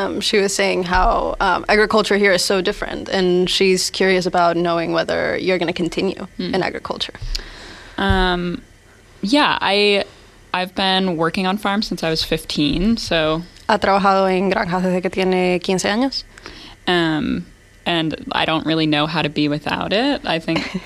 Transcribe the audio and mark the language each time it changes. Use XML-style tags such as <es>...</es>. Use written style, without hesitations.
<en>She was saying how agriculture here is so different, and she's curious about knowing whether you're going to continue in agriculture. I've been working on farms since I was 15, so.</en> <es>¿Ha trabajado en granjas desde que tiene 15 años?</es> <en>And I don't really know how to be without it, I think.</en>